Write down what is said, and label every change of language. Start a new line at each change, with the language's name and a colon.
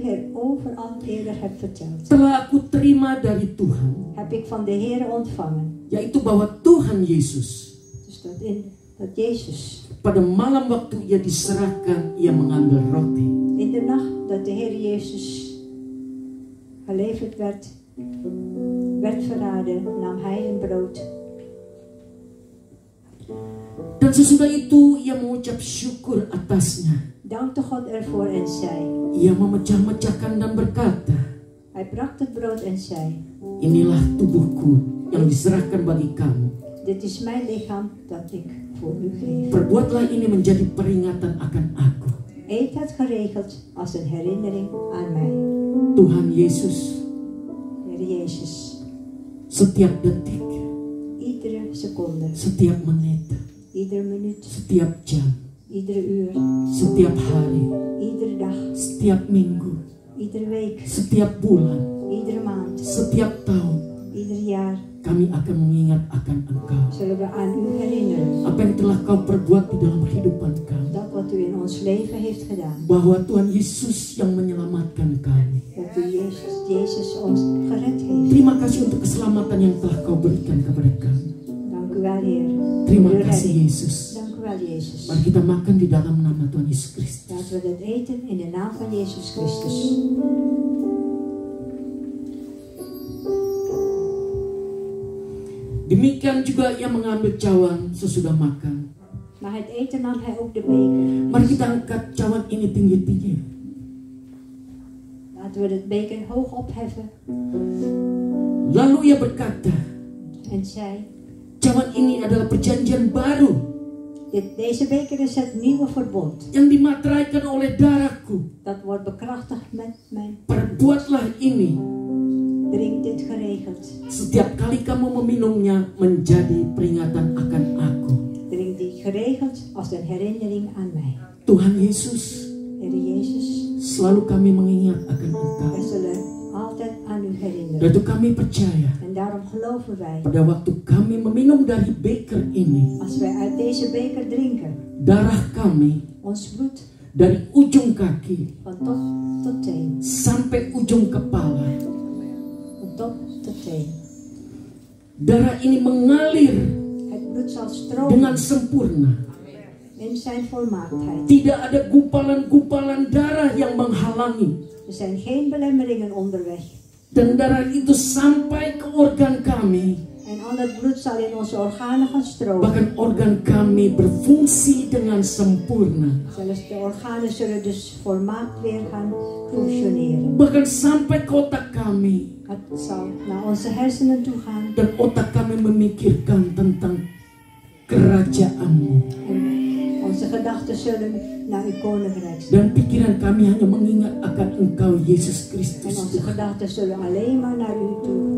Dutch: Heer overal eerder hebt verteld.
Indonesian: Telah aku terima dari Tuhan.
Dutch: Heb ik van de Heer ontvangen.
Indonesian: Yaitu bahwa Tuhan Yesus.
Dutch: Dus dat in dat Jezus.
Indonesian: Pada malam waktu ia diserahkan, ia mengambil roti.
Dutch: In de nacht dat de Heer Jezus geleverd werd, werd verraden, nam hij een brood.
Indonesian: Dan sesudah itu ia mengucap syukur atasnya.
Dutch: Dankte God ervoor en zei.
Indonesian: Ia memecah-mecahkan dan berkata.
Dutch: Hij bracht het brood en zei.
Indonesian: Inilah tubuhku yang diserahkan bagi kamu.
Dutch: Dit is mijn lichaam dat ik voor u geef.
Indonesian: Perbuatlah ini menjadi peringatan akan aku.
Dutch: Eet het geregeld als een herinnering aan mij.
Indonesian: Tuhan Yesus.
Dutch: Heer Jezus.
Indonesian: Setiap detik.
Dutch: Iedere seconde.
Indonesian: Setiap menit.
Dutch: Iedere minuut.
Indonesian: Setiap jam.
Dutch: Iedere uur.
Indonesian: Setiap hari.
Dutch: Iedere dag.
Indonesian: Setiap minggu.
Dutch: Iedere week.
Indonesian: Setiap bulan.
Dutch: Iedere maand.
Indonesian: Setiap tahun.
Dutch: Ieder jaar.
Indonesian: Kami akan mengingat akan Engkau.
Dutch: Zullen we aan u herinneren.
Indonesian: Apa yang telah Kau perbuat di dalam kehidupan kami.
Dutch: Dat wat u in ons leven heeft gedaan.
Indonesian: Bahwa Tuhan Yesus yang menyelamatkan kami.
Dutch: Dat u Jezus, Jezus ons gered heeft.
Indonesian: Terima kasih untuk keselamatan yang telah Kau berikan kepada kami.
Dutch: Dank u wel, Heer.
Indonesian: Terima kasih Yesus.
Dutch: Dank u wel, Jezus.
Indonesian: Mari kita makan di dalam nama Tuhan Yesus Kristus.
Dutch: Laten we dat eten in de naam van Jezus Christus.
Indonesian: Demikian juga ia mengambil cawan sesudah makan.
Dutch: Maar het eten nam hij ook de beker.
Indonesian: Mari kita angkat cawan ini tinggi-tinggi.
Dutch: Laten we het beker hoog opheffen.
Indonesian: Lalu ia berkata.
Dutch: En zei.
Indonesian: Cawan ini adalah perjanjian baru.
Dutch: Deze beker is het nieuwe verbond.
Indonesian: Yang dimateraikan oleh darahku.
Dutch: Dat wordt bekrachtigd met mijn.
Indonesian: Perbuatlah ini.
Dutch: Drink dit geregeld.
Indonesian: Setiap kali kamu meminumnya menjadi peringatan akan aku.
Dutch: Drink dit geregeld als een herinnering aan mij.
Indonesian: Tuhan Yesus.
Dutch: Heer Jezus.
Indonesian: Selalu kami mengingat akan Engkau.
Dutch: We zullen altijd aan u herinneren.
Indonesian: Dan kami percaya.
Dutch: En daarom geloven wij.
Indonesian: Pada waktu kami meminum dari beker ini.
Dutch: Als wij uit deze beker drinken.
Indonesian: Darah kami.
Dutch: Ons bloed.
Indonesian: Dari ujung kaki.
Dutch: Van top tot teen.
Indonesian: Sampai ujung kepala.
Dutch: Top
Indonesian: darah ini mengalir
Dutch: het bloed zal stromen
Indonesian: dengan sempurna
Dutch: in zijn volmaaktheid.
Indonesian: Tidak ada gumpalan-gumpalan darah yang menghalangi.
Dutch: Er zijn geen belemmeringen onderweg.
Indonesian: Dan darah itu sampai ke organ kami.
Dutch: En al het bloed zal in onze organen gaan stromen.
Indonesian: Bahkan organ kami berfungsi dengan sempurna.
Dutch: Zelfs de organen zullen dus volmaakt weer gaan functioneren.
Indonesian: Bahkan sampai ke otak kami.
Dutch: Het zal naar onze hersenen toe gaan.
Indonesian: Dan otak kami memikirkan tentang kerajaan-Mu.
Dutch: Onze gedachten zullen naar uw koninkrijk.
Indonesian: Dan pikiran kami hanya mengingat akan Engkau Yesus Kristus.
Dutch: En onze gedachten zullen alleen maar naar u toe.